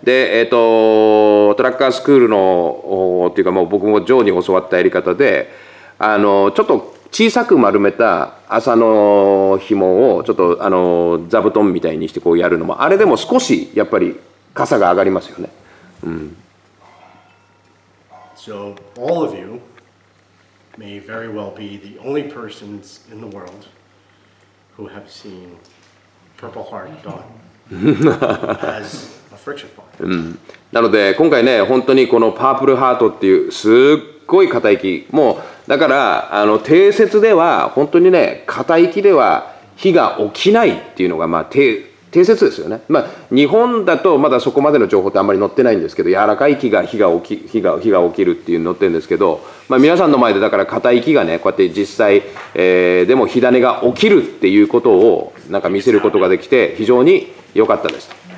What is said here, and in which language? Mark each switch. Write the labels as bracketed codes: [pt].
[ja] で、トラッカースクールの方法っていうか、もう僕もジョーに教わったやり方で、ちょっと小さく丸めた麻の紐をちょっと座布団みたいにしてこうやるのも、あれでも少しやっぱり傘が上がりますよね。うん。 [en] So all of you may very well be the only persons in the world who have seen Purple Heart done as [ja] うん、なので今回ね本当にこのパープルハートっていうすっごい硬い木もうだから定説では本当にね硬い木では火が起きないっていうのがまあ定説ですよね。まあ日本だとまだそこまでの情報ってあんまり載ってないんですけど、柔らかい木が火が起きるっていうの載ってるんですけど、まあ皆さんの前でだから硬い木がねこうやって実際、でも火種が起きるっていうことをなんか見せることができて非常に良かったです。